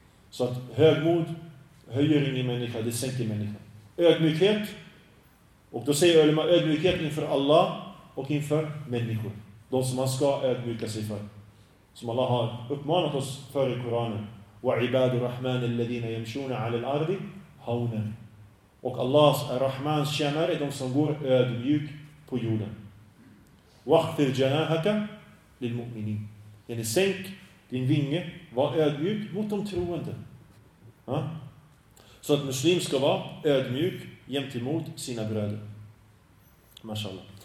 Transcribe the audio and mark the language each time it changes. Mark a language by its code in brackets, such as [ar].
[sv] Så att högmod höjer ingen människa, det sänker människan. Ödmjukhet. Och då säger ulema, ödmjukhet inför Allah och inför människor. De som man ska ödmjuka sig för. Som Allah har uppmanat oss för i Koranen. [ar] وعباد الرحمن الذين يمشون على الارض هونا. [sv] Och Allahs Rahmans tjänare är de som går ödmjuk på jorden. [ar] واخفض جناحك للمؤمنين. [sv] Yani sänk din vinge, var ödmjuk mot de troende. Ha? Så att muslim ska vara ödmjuk gentemot sina bröder. Mashallah.